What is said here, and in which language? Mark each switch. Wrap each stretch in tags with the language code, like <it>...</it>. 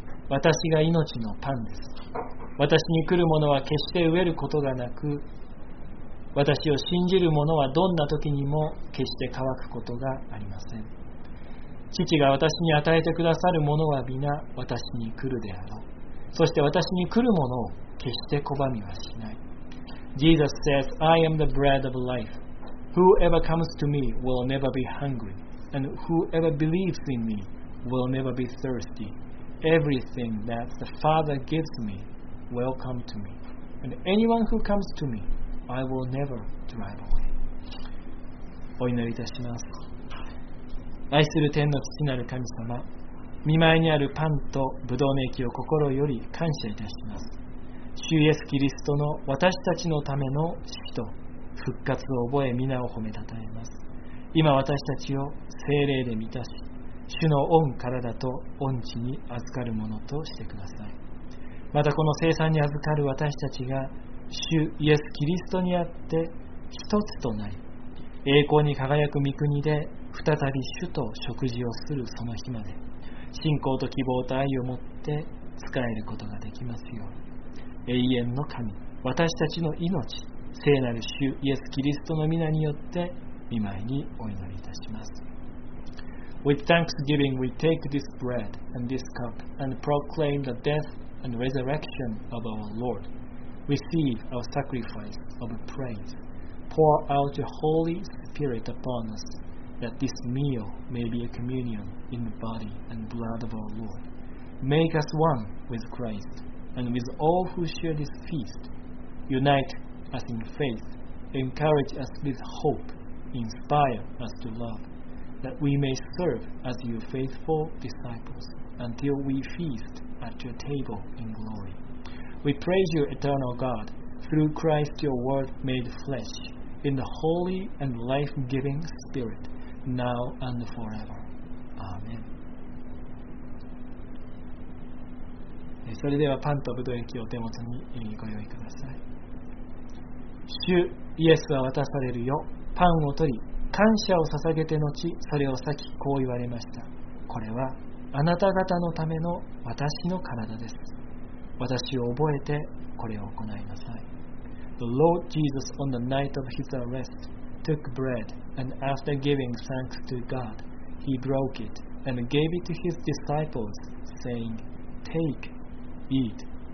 <ja>私が命のパンです。私に来る者は決して飢えることがなく、私を信じる者はどんな時にも決して乾くことがありません。父が私に与えてくださる者は皆私に来るであろう。そして私に来る者を決して拒みはしない。</ja> <en>Jesus says, I am the bread of life. Whoever comes to me will never be hungry, and whoever believes in me will never be thirsty. Everything that the Father gives me will come to me, and anyone who comes to meI will never drive away.</en> <ja>お祈りいたします。愛する天の父なる神様、御前にあるパンとブドウの液を心より感謝いたします。主イエスキリストの私たちのための死と復活を覚え、皆を褒めたたえます。今私たちを聖霊で満たし、主の御体と御血に預かるものとしてください。またこの聖餐に預かる私たちが主イエス・キリストにあって一つとなり、栄光に輝く御国で再び主と食事をするその日まで、信仰と希望と愛を持って仕えることができますように、永遠の神、私たちの命、聖なる主イエス・キリストの御名によって御前にお祈りいたします。</ja> <en>With thanksgiving we take this bread and this cup and proclaim the death and resurrection of our LordReceive our sacrifice of praise. Pour out your Holy Spirit upon us, that this meal may be a communion in the body and blood of our Lord. Make us one with Christ and with all who share this feast. Unite us in faith, encourage us with hope, inspire us to love, that we may serve as your faithful disciples. until we feast at your table in glory. We praise you, eternal God, through Christ your Word made flesh, in the holy and life-giving Spirit, now and forever. Amen.</en> <ja>それではパンとブドウ液をお手元にご用意ください。主イエスは渡されるよ。パンを取り、感謝を捧げて後、それを裂き、こう言われました。これはあなた方のための私の体です。私を覚えてこれを行いなさい。</ja> <en>The Lord Jesus, on the night of his arrest, took bread, and after giving thanks to God, he broke it and gave it to his disciples, saying, Take, eat.</en>